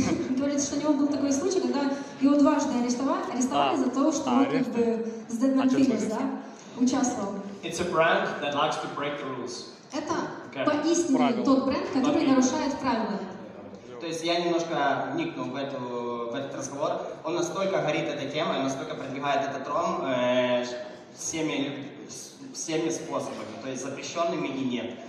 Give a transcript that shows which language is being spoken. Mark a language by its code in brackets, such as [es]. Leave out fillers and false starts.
[ru] Говорит, что у него был такой случай, когда его дважды арестовали за то, что он как бы с Dead Man's Fingers, да, участвовал. [en] It's a brand that likes to break the rules. [ru] Это поистине тот бренд, который нарушает правила. То есть я немножко вникну в этот разговор. Он настолько горит этой темой, настолько продвигает этот ром всеми способами, то есть запрещенными и нет.